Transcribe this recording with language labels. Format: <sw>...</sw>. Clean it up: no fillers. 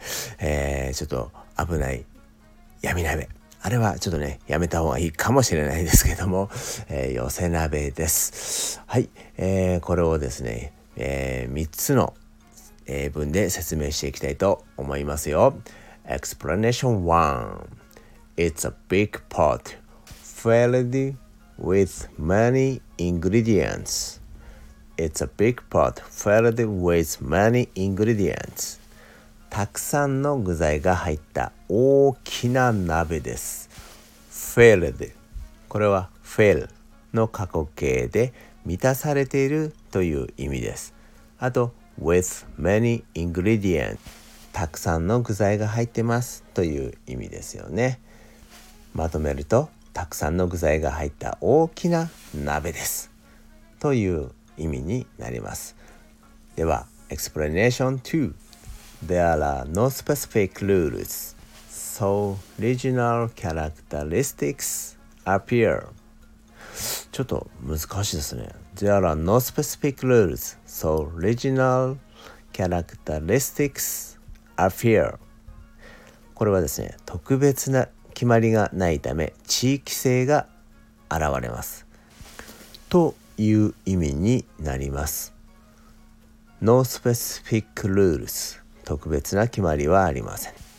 <ja>ちょっと危ない闇鍋。あれはちょっとね、やめた方がいいかもしれないですけども、寄せ鍋です。はい、これをですね、3つの英文で説明していきたいと思いますよ。</ja> <en>Explanation 1. It's a big pot filled with many ingredients. It's a big pot filled with many ingredients.</en> <ja>たくさんの具材が入った大きな鍋です。</ja> <en>Filled.</en> <ja>これは fill の過去形で満たされているという意味です。</ja> <en>あと、With many ingredients.</en> <ja>たくさんの具材が入ってますという意味ですよね。まとめると、たくさんの具材が入った大きな鍋ですという意味になります。</ja> <en>では、Explanation 2. There are no specific rules, so regional characteristics appear.</en> <ja>ちょっと難しいですね。</ja> <en>There are no specific rules, so regional characteristics appear.</en> <ja>これはですね、特別な決まりがないため地域性が現れますという意味になります。</ja> <en>No specific rules,</en> <ja>特別な決まりはありません。</ja>